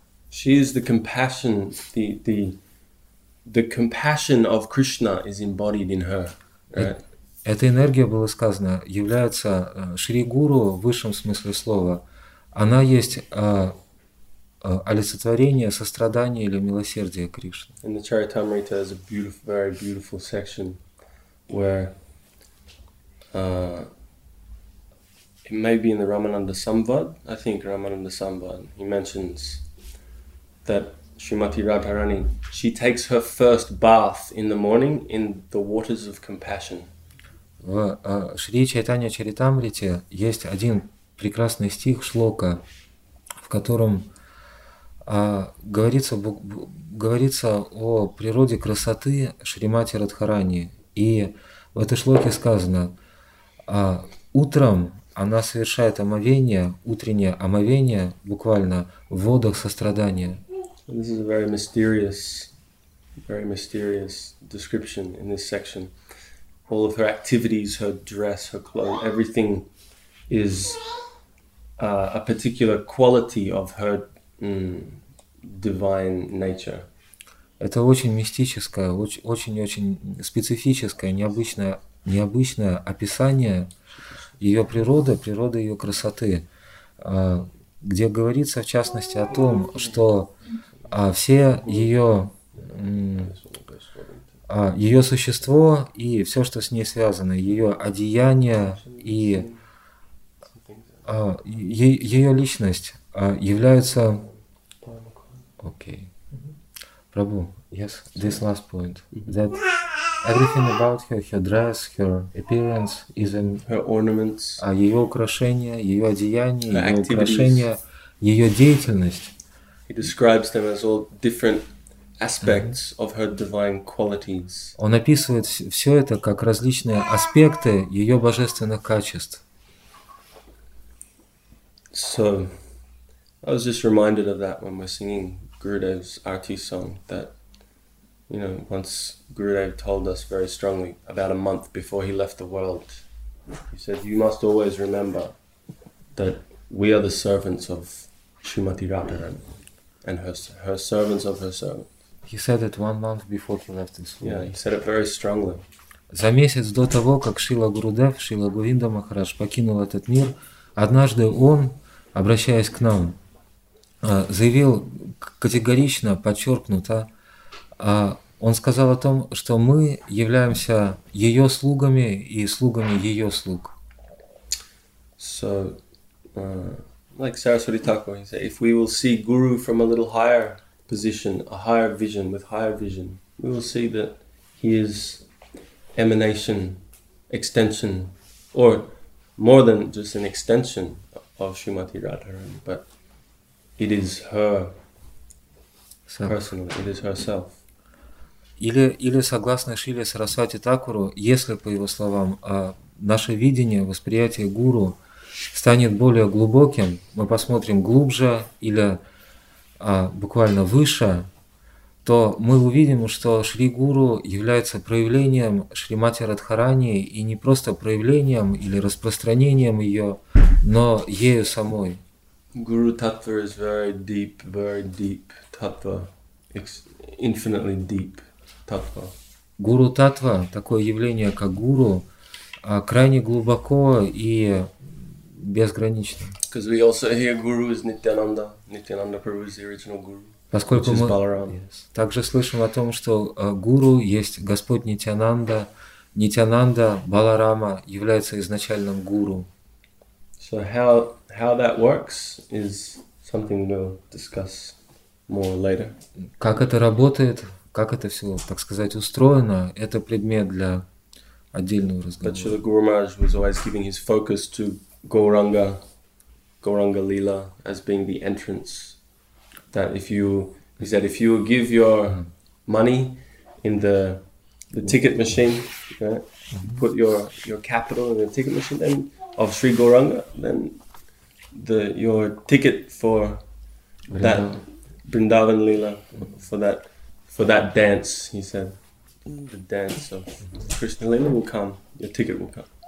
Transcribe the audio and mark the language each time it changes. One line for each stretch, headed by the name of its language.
English: She is the compassion, the compassion of Krishna is embodied in her. Right?
Russian: Эта энергия, было сказано, является Шри Гуру в высшем смысле слова. Она есть олицетворение сострадания или милосердия Кришны.
English: In the Charitamrita is a beautiful, very beautiful section where it may be in the Ramananda Samvad, I think Ramananda Samvad, he mentions that Srimati Radharani, she takes her first bath in the morning in the waters of compassion.
Russian: В Шри Чайтанья Чаритамрите есть один прекрасный стих, шлока, в котором говорится о природе красоты Шримати Радхарани. И в этой шлоке сказано, утром она совершает омовение, утреннее омовение, буквально, в водах сострадания.
English: This is a very mysterious description in this section. All of her activities, her dress, her clothes, everything is a particular quality of her divine nature.
Russian: Это очень мистическое, очень-очень специфическое, необычное описание ее природы, природы ее красоты, где говорится, в частности, о том, что все ее существо и все, что с ней связано, ее одеяние и ее личность являются... Окей.
English: Прабу, yes, this last point. That... Everything about her, her dress, her appearance, is in her ornaments,
Russian: ее украшения, ее одеяние, ее украшения, ее деятельность.
English: He describes them as all different aspects of her divine qualities.
Russian: Он описывает все это как различные аспекты ее божественных качеств.
English: So, I was just reminded of that when we're singing Gurudev's Arati song, that you know, once Gurudev told us very strongly about a month before he left the world, he said, "You must always remember that we are the servants of Srimati Radharani and her servants of her servants." He said it 1 month before he left this world. Yeah, he said it very strongly.
Russian: За месяц до того, как Шрила Гурудев, Шрила Говинда Махарадж покинул этот мир, однажды он, обращаясь к нам, заявил категорично подчеркнуто, он сказал о том, что мы являемся ее слугами и слугами ее слуг.
English: So, like Saraswati Thakur, he said, if we will see Guru from a little higher position, a higher vision, with higher vision, we will see that he is emanation, extension, or more than just an extension of Srimati Radharani, but it is her self. Personal, it is herself.
Russian: Или согласно Шриле Сарасвати Такуру, если, по его словам, наше видение, восприятие гуру станет более глубоким, мы посмотрим глубже или буквально выше, то мы увидим, что Шри Гуру является проявлением Шримати Радхарани и не просто проявлением или распространением ее, но ею самой.
English: Guru Tattva is very deep tattva, infinitely deep tattva.
Russian: Guru Tattva, такое явление как гуру, крайне глубоко и безгранично.
English: Because we also hear Guru is Nityananda. Nityananda Prabhu is the original Guru.
Russian: Поскольку
English: which
Russian: мы
English: is Balaram. Yes.
Russian: Также слышим о том, что гуру есть Господь Нитянанда. Нитянанда Баларама является изначальным гуру.
English: So how that works is something we'll discuss more later.
Russian: Как это работает, как это все, так сказать, устроено, это предмет для отдельного разговора.
English: But Srila Guru Maharaj was always giving his focus to Gauranga Lila as being the entrance. That if you, he said, if you give your money in the ticket machine, right, put your capital in the ticket machine, then of Sri Gauranga, then your ticket for that Vrindavan Lila, for that dance, he said, the dance of Krishna Lila will come, your ticket will come.